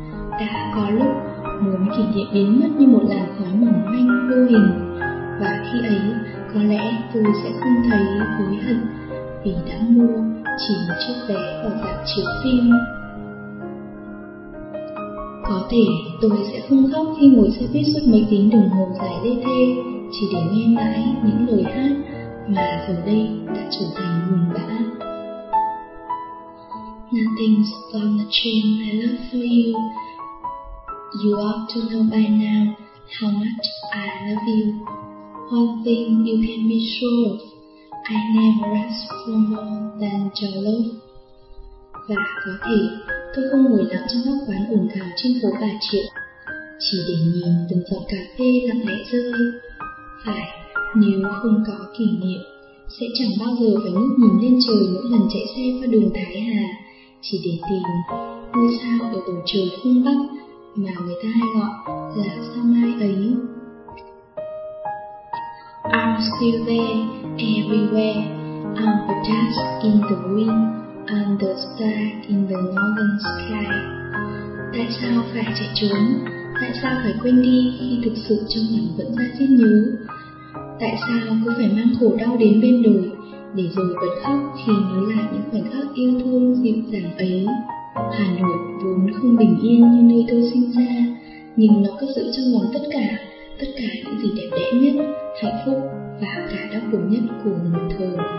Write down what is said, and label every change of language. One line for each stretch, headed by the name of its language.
Vietnamese: Đã có lúc muốn kỷ niệm biến mất như một làn khói mỏng manh vô hình, và khi ấy có lẽ tôi sẽ không thấy hối hận vì đã mua chỉ một chiếc vé vào rạp chiếu phim. Có thể tôi sẽ không khóc khi ngồi xe buýt suốt mấy tiếng đồng hồ dài lê thê chỉ để nghe mãi những lời hát mà giờ đây đã trở thành buồn bã.
English: Nothing's gonna change my love for you. You ought to know by now how much I love you. One thing you can be sure of, I never ask for more than your love.
Vietnamese: Và có thể tôi không ngồi lặng trong góc quán ồn ào trên phố Bà Triệu, chỉ để nhìn từng giọt cà phê lặng lẽ rơi. Phải, nếu không có kỷ niệm, sẽ chẳng bao giờ phải ngước nhìn lên trời mỗi lần chạy xe qua đường Thái Hà, chỉ để tìm ngôi sao ở bầu trời phương Bắc mà người ta hay gọi là sao mai ấy.
English: I'm still there, everywhere, I'm a dust in the wind. I'm the star in the northern sky.
Vietnamese: Tại sao phải chạy trốn? Tại sao phải quên đi khi thực sự trong lòng vẫn ra thiết nhớ? Tại sao cứ phải mang khổ đau đến bên đời để rồi bật khóc khi nhớ lại những khoảnh khắc yêu thương dịu dàng ấy? Hà Nội vốn không bình yên như nơi tôi sinh ra, nhưng nó cất giữ trong lòng tất cả những gì đẹp đẽ nhất, hạnh phúc và cả đau khổ nhất của một thời.